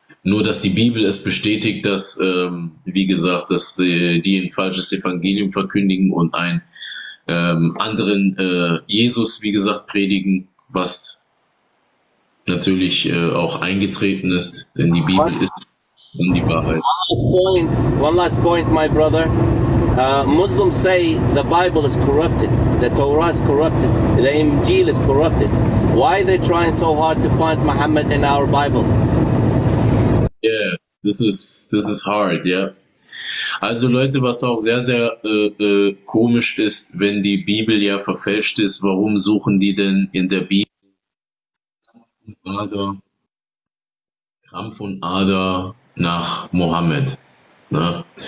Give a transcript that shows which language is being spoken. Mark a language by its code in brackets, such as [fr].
[de] Nur, dass die Bibel es bestätigt, dass, wie gesagt, dass die ein falsches Evangelium verkündigen und einen anderen Jesus, wie gesagt, predigen, was natürlich auch eingetreten ist, denn die Bibel ist die Wahrheit. [en] One last point, my brother. Muslims say the Bible is corrupted, the Torah is corrupted, the Injil is corrupted. Why are they trying so hard to find Muhammad in our Bible? Yeah, this is hard, yeah. [de] Also Leute, was auch sehr, sehr komisch ist, wenn die Bibel ja verfälscht ist, warum suchen die denn in der Bibel Krampf und Ader nach Mohammed? Ne?